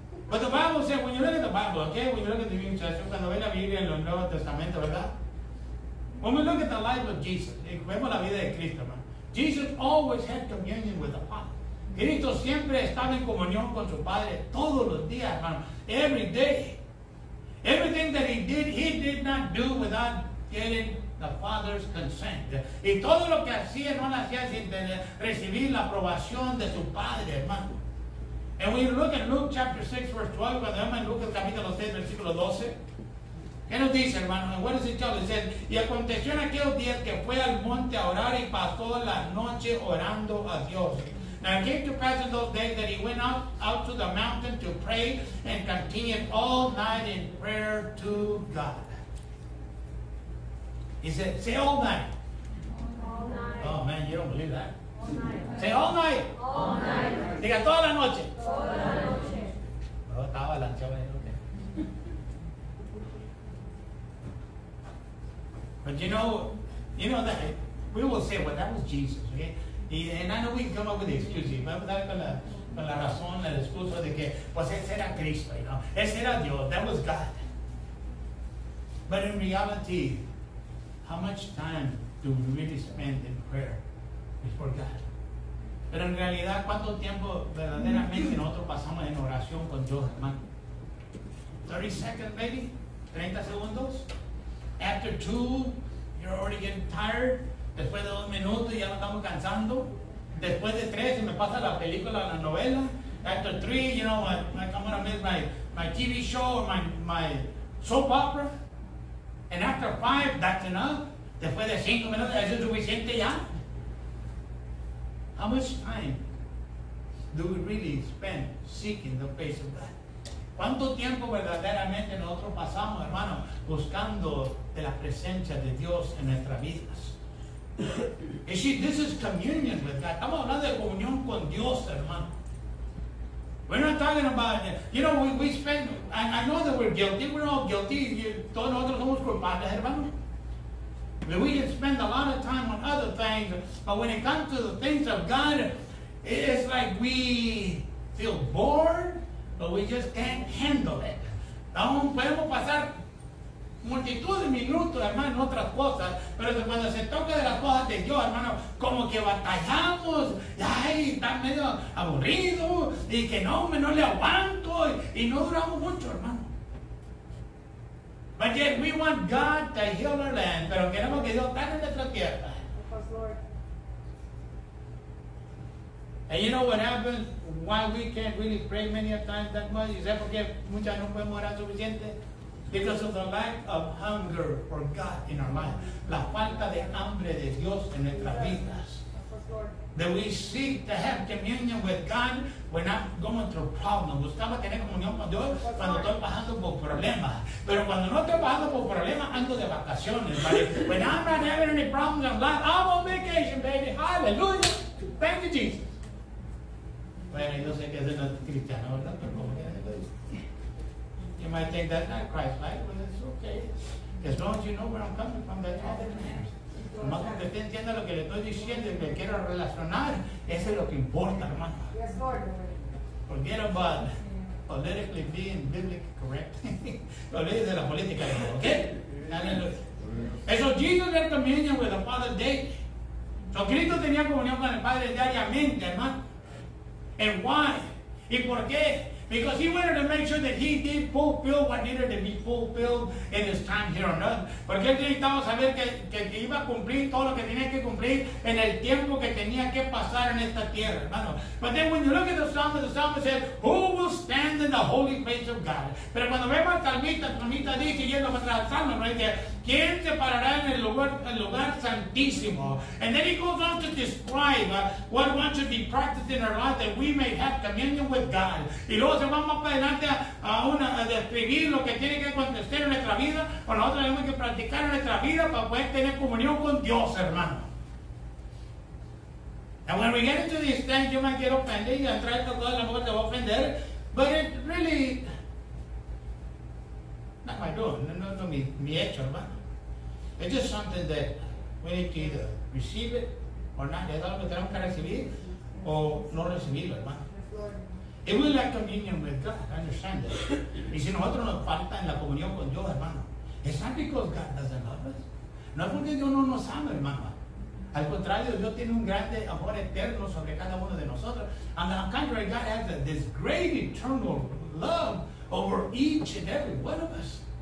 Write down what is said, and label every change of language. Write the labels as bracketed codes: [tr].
[en] But the Bible says, when you look at the Bible, okay, when you look at the Biblia, [es] cuando ves la Biblia en los Nuevos Testamentos, ¿verdad? [en] When we look at the life of Jesus, [es] vemos la vida de Cristo, [en] man. Jesus always had communion with the Father. [es] Cristo siempre estaba en comunión con su Padre todos los días, hermano. [en] Every day. Everything that he did not do without getting the Father's consent. [es] Y todo lo que hacía, no lo hacía sin recibir la aprobación de su Padre, hermano. [en] And we look at Luke chapter 6, verse 12, [es] cuando vemos en Lucas capítulo 6, versículo 12. ¿Qué nos dice, hermano? [en] What does it tell us? [es] Y aconteció en aquellos días que fue al monte a orar y pasó la noche orando a Dios. [en] Now it came to pass in those days that he went out to the mountain to pray and continued all night in prayer to God. He said, say all night. All night. Oh man, you don't believe that. All night. Say all night. All night. [es] Diga toda la noche. Toda la noche. Estaba balanceado ahí, ok. [en] But you know that we will say, well, that was Jesus, okay? And I know we can come up with excuses. Remember that [es] con la razón, la excusa de que, pues ese era Cristo, [en] you know? [es] Ese era Dios, [en] that was God. But in reality, how much time do we really spend in prayer before God? [es] Pero en realidad, ¿cuánto tiempo verdaderamente nosotros pasamos en oración con Dios, hermano? [en] 30 seconds, maybe? [es] 30 segundos? [en] After two, you're already getting tired. [es] Después de dos minutos, ya nos estamos cansando. Después de tres, se me pasa la película, la novela. [en] After three, you know, I'm gonna miss my TV show, or my soap opera. And after five, that's enough. [es] Después de cinco minutos, ¿es suficiente ya? [en] How much time do we really spend seeking the face of God? [es] ¿Cuánto tiempo verdaderamente nosotros pasamos, hermano, buscando de la presencia de Dios en nuestras vidas? [en] You see, this is communion with God. [es] Estamos hablando de comunión con Dios, hermano. [en] We're not talking about, you know, we spend, I know that we're guilty, we're all guilty, [es] todos nosotros somos culpables, hermano. [en] But we can spend a lot of time on other things, but when it comes to the things of God, it's like we feel bored, but we just can't handle it. [es] Aún podemos pasar multitud de minutos, hermano, en otras cosas, pero cuando se toca de las cosas de Dios, hermano, como que batallamos, y ay, está medio aburrido, y que no, hombre, no le aguanto, y no duramos mucho, hermano. [en] But yet we want God to heal our land, [es] pero queremos que Dios sane nuestra tierra. [en] And you know what happens? Why we can't really pray many a times that much? Is that [es] porque muchas no podemos orar suficiente? [en] Because of the lack of hunger for God in our life. [es] La falta de hambre de Dios en nuestras vidas. [en] That we seek to have communion with God when I'm going through problems. [es] Buscaba tener comunión con Dios cuando estoy pasando por problemas. Pero cuando no estoy pasando por problemas, ando de vacaciones. [en] When I'm not having any problems, I'm on vacation, baby. Hallelujah. Thank you, Jesus. [es] Bueno, yo sé que es no es cristiano, ¿verdad? Pero como que es. [en] You might think that's not Christ-like, but it's okay. As long as you know where I'm coming from, that's all that matters. [es] Más que usted entienda lo que le estoy diciendo y me quiero relacionar, eso es lo que importa, hermano. [en] Yes, Lord. forget about politically being biblically correct. [es] Lo leí de la política, ¿no? ¿Ok? Aleluya. [en] Eso, Jesus had communion with the Father daily. [es] So Cristo tenía comunión con el Padre diariamente, hermano. [en] And why? [es] ¿Y por qué? [en] Because he wanted to make sure that he did fulfill what needed to be fulfilled in his time here on earth. [es] Porque él necesitaba saber que iba a cumplir todo lo que tenía que cumplir en el tiempo que tenía que pasar en esta tierra, hermano. [en] But then when you look at the psalmist said, who will stand in the holy place of God? [es] Pero cuando vemos el salmista dice, yendo para atrás, salmo, ¿no? Dice, ¿quién se parará en el lugar santísimo? [en] And then he goes on to describe what one should be practicing in our life that we may have communion with God. [es] Y luego se va más para adelante a describir lo que tiene que acontecer en nuestra vida, o nosotros tenemos que practicar en nuestra vida para poder tener comunión con Dios, hermano. [en] And when we get into this thing, you might get offended, [es] y entrar con toda la mujer te va a ofender, [en] but it really... Not my door, [es] no, mi hecho, hermano. [en] It's just something that we need to either receive it or not. [es] Es algo que tenemos que recibir o no recibirlo, hermano. [en] If we lack communion with God, understand that. [es] Y si nosotros nos falta en la comunión con Dios, hermano, [en] it's not because God doesn't love us. [es] No es porque Dios no nos ama, hermano. Al contrario, Dios tiene un grande amor eterno sobre cada uno de nosotros. [en] On the contrary, God has this great eternal love over each and every one of us.